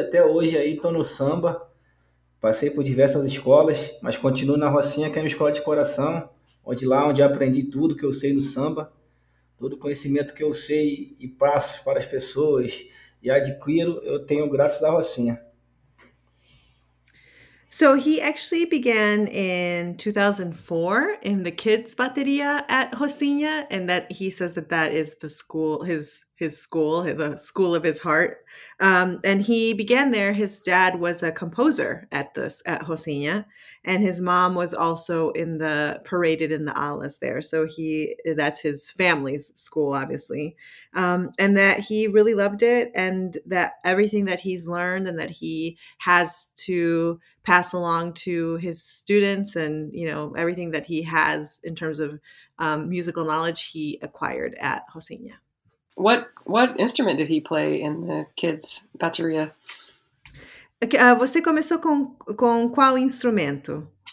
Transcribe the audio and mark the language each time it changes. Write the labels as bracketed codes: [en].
[pt] Até hoje aí tô no samba. Passei por diversas escolas, mas continuo na Rocinha, que é uma escola de coração. Onde lá, onde eu aprendi tudo que eu sei no samba, todo o conhecimento que eu sei e passo para as pessoas e adquiro, eu tenho graças à Rocinha. [en] So he actually began in 2004 in the kids' bateria at Rocinha, and that he says that that is the school, his school, the school of his heart. And he began there. His dad was a composer at Rocinha, and his mom was also paraded in the alas there. So that's his family's school, obviously, and that he really loved it, and that everything that he's learned and that he has to pass along to his students and, you know, everything that he has in terms of musical knowledge he acquired at Rocinha. What instrument did he play in the kids' bateria? [pt] Você começou com qual instrumento?